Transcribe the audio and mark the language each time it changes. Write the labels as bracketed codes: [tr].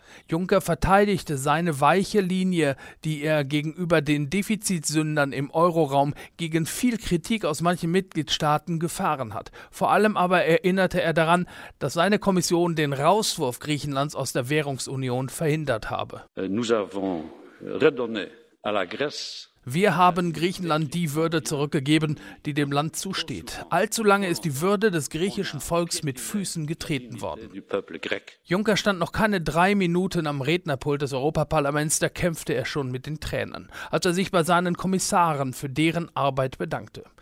[de] Juncker verteidigte seine weiche Linie, die er gegenüber den Defizitsündern im Euroraum gegen viel Kritik aus manchen Mitgliedstaaten gefahren hat. Vor allem aber erinnerte er daran, dass seine Kommission den Rauswurf Griechenlands aus der Währungsunion verhindert habe. [fr] Nous avons redonné à la Grèce. [de] Wir haben Griechenland die Würde zurückgegeben, die dem Land zusteht. Allzu lange ist die Würde des griechischen Volks mit Füßen getreten worden. Juncker stand noch keine 3 Minuten am Rednerpult des Europaparlaments, da kämpfte er schon mit den Tränen, als er sich bei seinen Kommissaren für deren Arbeit bedankte.